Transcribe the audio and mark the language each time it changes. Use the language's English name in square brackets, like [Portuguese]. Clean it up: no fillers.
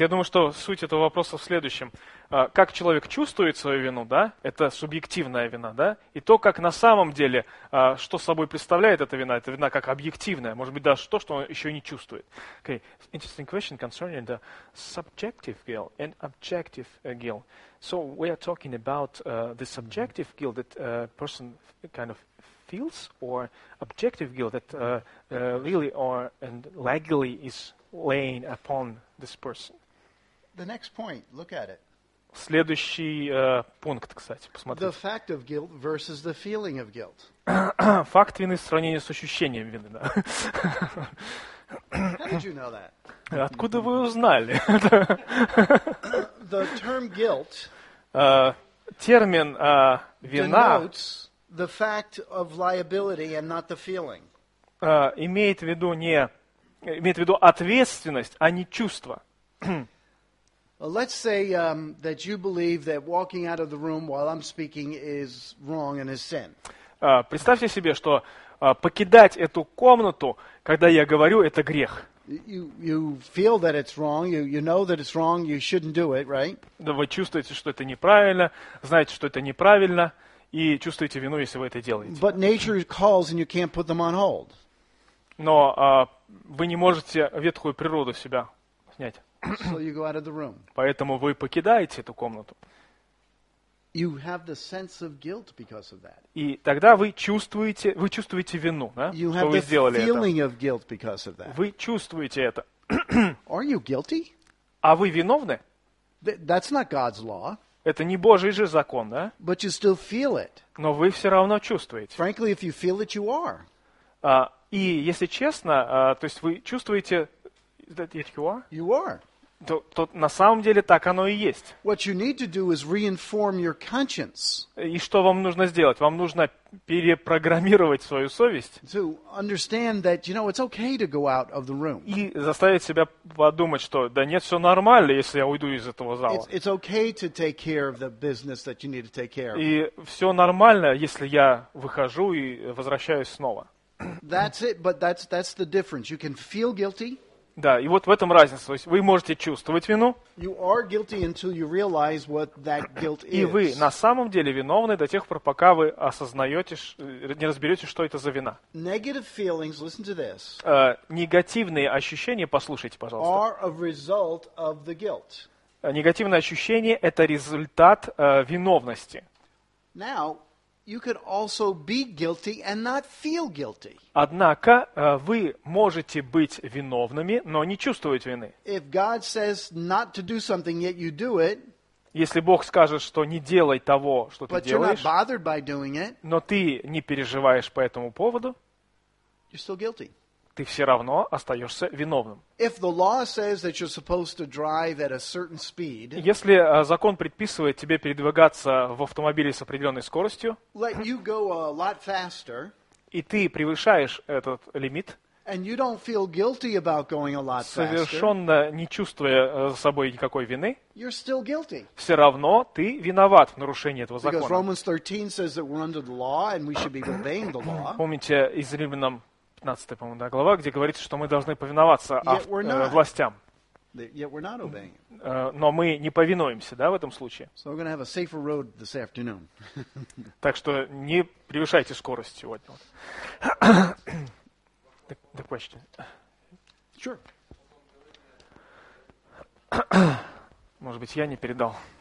[Russian] Я думаю, что суть этого вопроса в следующем. Как человек чувствует свою вину, да, это субъективная вина, да, и то, как на самом деле, что собой представляет эта вина как объективная, может быть, даже то, что он еще не чувствует. [English] Okay, interesting question concerning the subjective guilt and objective guilt. So we are talking about the subjective guilt that a person kind of feels, or objective guilt that really or and legally is laying upon this person. The next point, look at it. [Russian] Следующий пункт, кстати, посмотрите. [English] The fact of guilt versus the feeling of guilt. [Russian] Факт вины в сравнении с ощущением вины. Да. [English] How did you know that? [Russian] Откуда вы узнали? [English] The term guilt. [Russian] Термин вина. [English] The fact of liability and not the feeling. [Russian] Имеет в виду не имеет в виду ответственность, а не чувство. [English] Let's say that you believe that walking out of the room while I'm speaking is wrong and is sin. [Russian] Представьте себе, что покидать эту комнату, когда я говорю, это грех. [English] You feel that it's wrong, you know that it's wrong, you shouldn't do it, right? [Russian] Да, вы чувствуете, что это неправильно, знаете, что это неправильно. И чувствуете вину, если вы это делаете. [English] But nature calls and you can't put them on hold. [Russian] Но вы не можете ветхую природу с себя снять. [English] So you go out of the room. [Russian] Поэтому вы покидаете эту комнату. [English] You have the sense of guilt because of that. [Russian] И тогда вы чувствуете вину, да? [English] You [Russian] что [English] have [Russian] вы [English] the [Russian] сделали [English] feeling [Russian] это. [English] Of guilt because of that. [Russian] Вы чувствуете это. [English] Are you guilty? [Russian] А вы виновны? [English] That's not God's law. [Russian] Это не Божий же закон, да? [English] But you still feel it. [Russian] Но вы все равно чувствуете. [English] Frankly, if you feel it, you are. [Russian] И если честно, то есть вы чувствуете, то на самом деле так оно и есть. [English] What you need to do is reinform your conscience. [Russian] И что вам нужно сделать? Вам нужно перепрограммировать свою совесть. [English] To understand that, you know, it's okay to go out of the room. [Russian] И заставить себя подумать, что да нет, все нормально, если я уйду из этого зала. [English] It's okay to take care of the business that you need to take care of. [Russian] И все нормально, если я выхожу и возвращаюсь снова. [English] That's it, but that's the difference. You can feel guilty. [Russian] Да, и вот в этом разница. То есть вы можете чувствовать вину. [English] You are guilty until you realize what that guilt is. [Russian] И вы на самом деле виновны до тех пор, пока вы осознаете, не разберете, что это за вина. [English] Negative feelings, listen to this. [Russian] Негативные ощущения, послушайте, пожалуйста. [English] Are a result of the guilt. [Russian] Негативные ощущения – это результат виновности. [English] Now, you could also be guilty and not feel guilty. [Russian] Однако вы можете быть виновными, но не чувствовать вины. [English] If God says not to do something, yet you do it. [Russian] Если Бог скажет, что не делай того, что [English] but [Russian] ты делаешь, [English] you're not bothered by doing it, [Russian] но ты не переживаешь по этому поводу, [English] you're still guilty. [Russian] Ты все равно остаешься виновным. [English] If the law says that you're supposed to drive at a certain speed, [Russian] если закон предписывает тебе передвигаться в автомобиле с определенной скоростью, [English] let you go a lot faster, [Russian] и ты превышаешь этот лимит, [English] and you don't feel guilty about going a lot faster, [Russian] совершенно не чувствуя за собой никакой вины, [English] you're still guilty. [Russian] Все равно ты виноват в нарушении этого закона. [English] Because Romans 13 says that we're under the law and we should be obeying the law. [Russian] Помните из Римлянам 15, по-моему, да, глава, где говорится, что мы должны повиноваться властям. Но мы не повинуемся, да, в этом случае. [English] So we're gonna have a safer road this afternoon. [Russian] Так что не превышайте скорость сегодня. Так почти. [English] Sure. [Russian] Может быть, я не передал.